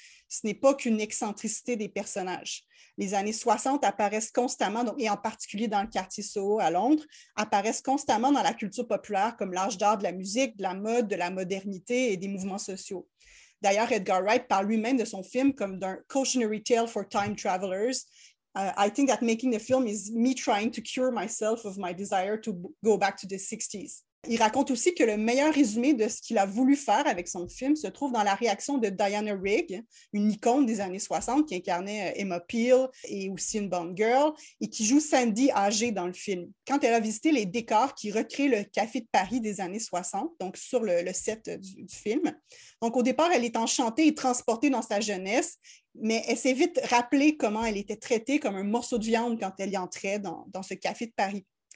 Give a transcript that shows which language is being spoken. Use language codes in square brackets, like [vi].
[fr] Ce n'est pas qu'une excentricité des personnages. Les années 60 apparaissent constamment, et en particulier dans le quartier Soho à Londres, apparaissent constamment dans la culture populaire comme l'âge d'or de la musique, de la mode, de la modernité et des mouvements sociaux. D'ailleurs, Edgar Wright parle lui-même de son film comme d'un « [en] cautionary tale for time travelers ». I think that making the film is me trying to cure myself of my desire to go back to the 60s. [fr] Il raconte aussi que le meilleur résumé de ce qu'il a voulu faire avec son film se trouve dans la réaction de Diana Rigg, une icône des années 60 qui incarnait Emma Peel et aussi une Bond girl, et qui joue Sandy âgée dans le film. Quand elle a visité les décors qui recréent le café de Paris des années 60, donc sur le set du film, donc au départ, elle est enchantée et transportée dans sa jeunesse, mais elle s'est vite rappelée comment elle était traitée comme un morceau de viande quand elle y entrait dans ce café de Paris.